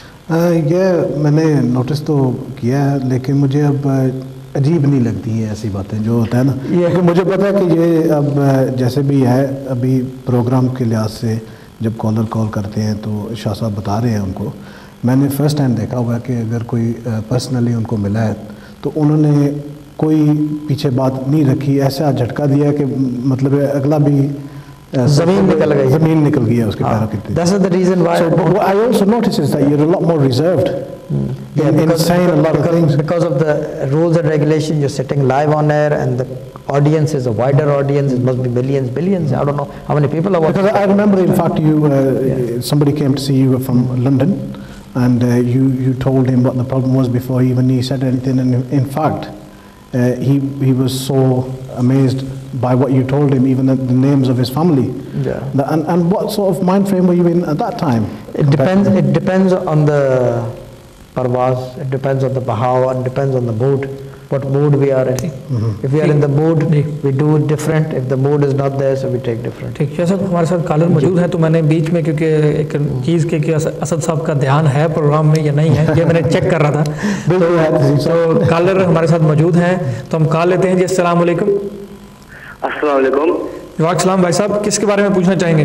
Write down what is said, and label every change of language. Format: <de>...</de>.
<hi>यह मैंने नोटिस तो किया है लेकिन मुझे अब अजीब नहीं लगती है ऐसी बातें जो होता है ना, क्योंकि मुझे पता है कि ये अब जैसे भी है अभी प्रोग्राम के लिहाज से जब कॉलर कॉल करते हैं तो शाह साहब बता रहे हैं उनको, मैंने फ़र्स्ट टाइम देखा हुआ है कि अगर कोई पर्सनली उनको मिला है तो उन्होंने कोई पीछे बात नहीं रखी, ऐसा झटका दिया कि मतलब अगला भी ज़मीन निकल गई है उसके पैरों के।</hi> <en>That's the reason why. So, but what I also noticed is that you're a lot more reserved. Because of the rules and regulation, you're sitting live on air and the audience is a wider audience. It must be millions, billions. Mm-hmm. I don't know how many people are watching. Because I remember, in fact, you somebody came to see you from London, and you told him what the problem was before even he said anything. And in fact, he was so amazed by what you told him, even the names of his family. Yeah. And what sort of mind frame were you in at that time? It depends on the parvaz, it depends on the bahav, and depends on the mood, what mood we are in. Mm-hmm. If we are in the mood, we do it different. If the mood is not there, so we take different.</en> <hi>ठीक है sir, हमारे साथ कालर मौजूद हैं तो मैंने बीच में क्योंकि एक चीज़ के कि असद साहब का ध्यान है प्रोग्राम में या नहीं है ये मैंने चेक कर रहा था तो कालर हमारे साथ मौजूद हैं तो हम कॉल लेते हैं जी। अस्सलाम वालेकुम। अस्सलाम वालेकुम। वाक सलाम भाई साहब, किसके बारे में पूछना चाहेंगे</hi>